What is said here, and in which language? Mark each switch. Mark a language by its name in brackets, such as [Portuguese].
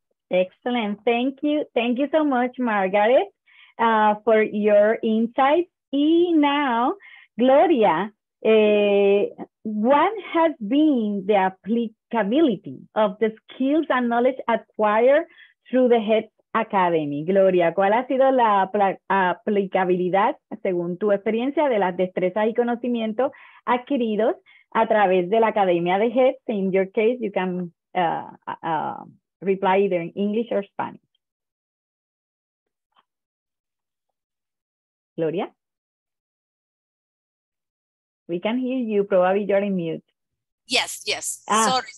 [English] Excellent. Thank you. Thank you so much, Margaret, for your insights. And now, Gloria, what has been the applicability of the skills and knowledge acquired through the HETS Academy? [Spanish] Gloria, ¿cuál ha sido la aplicabilidad, según tu experiencia, de las destrezas y conocimientos adquiridos a través de la Academia de HETS? [English] In your case, you can reply either in English or Spanish. Gloria? We can hear you, probably you're in mute. Yes, yes, sorry.